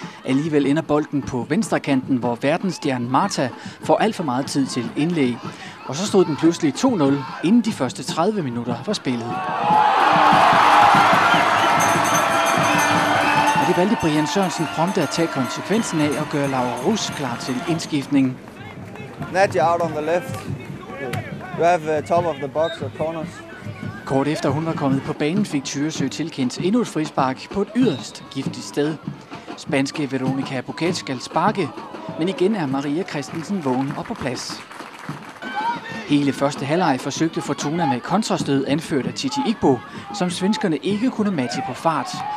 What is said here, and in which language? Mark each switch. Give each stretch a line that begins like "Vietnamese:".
Danish: Alligevel ender bolden på venstrekanten, hvor verdensstjernen Marta får alt for meget tid til indlæg. Og så stod den pludselig 2-0, inden de første 30 minutter var spillet. Og det valgte Brian Sørensen prompte at tage konsekvensen af og gøre Laura Rus klar til indskiftningen.
English: Nadia out on the left. You have top of the box or corners.
Danish: Kort efter hun var kommet på banen, fik Tyresø tilkendt endnu et frispark på et yderst giftigt sted. Spanske Veronica Bouquet skal sparke, men igen er Maria Christensen vågen og på plads. Hele første halvleg forsøgte Fortuna med kontrastød anført af Titi Igbo, som svenskerne ikke kunne matche på fart.